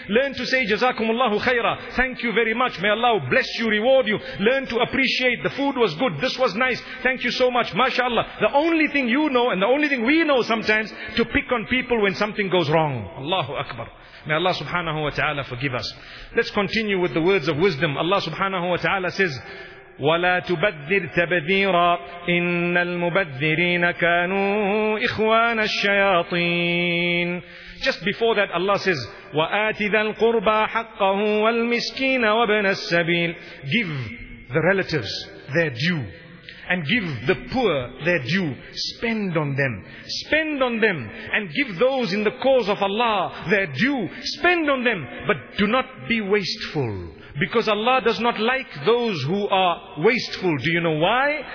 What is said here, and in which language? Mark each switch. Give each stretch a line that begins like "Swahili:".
English: Learn to say, Jazakumullahu khaira. Thank you very much. May Allah bless you, reward you. Learn to appreciate. The food was good. This was nice. Thank you so much. MashaAllah. The only thing you know and the only thing we know sometimes to pick on people when something goes wrong. Allahu Akbar. May Allah subhanahu wa ta'ala forgive us. Let's continue with the words of wisdom. Allah subhanahu wa ta'ala says,
Arabic: وَلَا تُبَذِّرْ تَبَذِيرًا إِنَّ الْمُبَذِّرِينَ كَانُوا إِخْوَانَ الشَّيَاطِينَ.
English: Just before that Allah says,
Arabic: وَآتِ ذَا الْقُرْبَى حَقَّهُ وَالْمِسْكِينَ وَبْنَ السَّبِيلِ.
English: Give the relatives their due, and give the poor their due. Spend on them. Spend on them. And give those in the cause of Allah their due. Spend on them. But do not be wasteful. Because Allah does not like those who are wasteful. Do you know why?